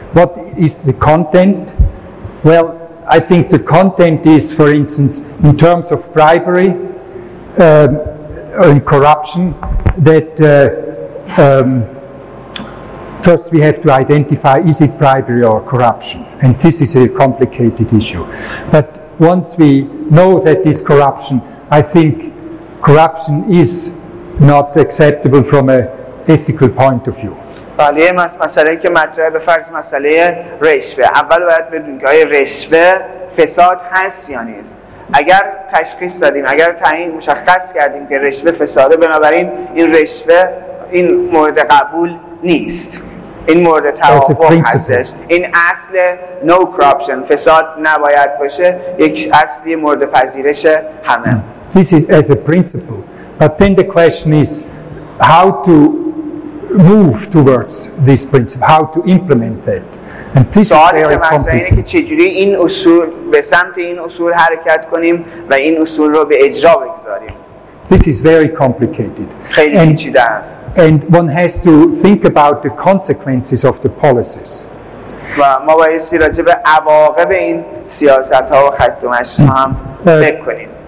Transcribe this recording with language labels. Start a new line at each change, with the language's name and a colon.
English: What is the content? Well, I think the content is, for instance, in terms of bribery and corruption, that first we have to identify, is it bribery or corruption? And this is a complicated issue. But once we know that it's corruption, I think corruption is not acceptable from an ethical point of view.
Persian: بله، مسئله که مطرح به فرض مسئله رشوه. اول باید بدون که آیا رشوه فساد هست یا نیست. اگر تشخیص دادیم، اگر تعیین مشخص کردیم که رشوه فساده، بنابراین این رشوه این مورد قبول نیست. این مورد توافق هستش. این اصل
English: no corruption،
Persian: فساد نباید باشه، یک اصلی مورد پذیرش همه.
English: This is as a principle. But then the question is how to move towards this principle, how to implement that. And this is very complicated.
Persian: اینه که چجوری این اصول، به سمت این اصول حرکت کنیم و این اصول رو به اجرا بگذاریم.
English: This is very complicated.
Persian: خیلی پیچیده است.
English: And one has to think about the consequences of the policies.
Persian: و ما باید راجع به عواقب این سیاست ها و خط و مشی ها هم فکر کنیم.